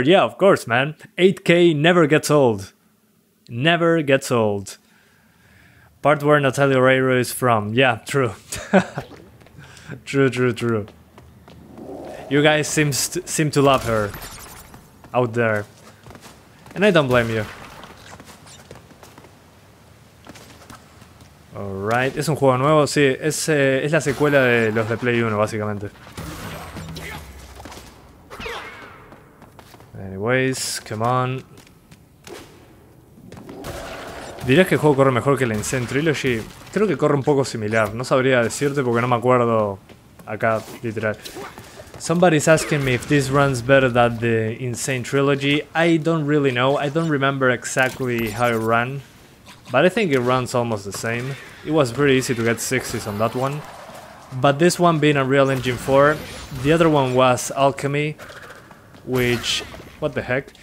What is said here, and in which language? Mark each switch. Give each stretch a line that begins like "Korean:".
English: Yeah, of course, man. 8K never gets old. Never gets old. Part where Natalia Oreiro is from. Yeah, true. true. You guys seem to love her out there, and I don't blame you.
Spanish: Alright, es un juego nuevo, sí, es la secuela de los de Play 1, básicamente.
English: Anyways, come on.
Spanish: ¿Dirías que el juego corre mejor que el Insane Trilogy? Creo que corre un poco similar, no sabría decirte porque no me acuerdo acá, literal.
English: Somebody's asking me if this runs better than the Insane Trilogy. I don't really know, I don't remember exactly how it ran, but I think it runs almost the same. It was pretty easy to get 60s on that one. But this one being Unreal Engine 4, the other one was Alchemy, which, what the heck?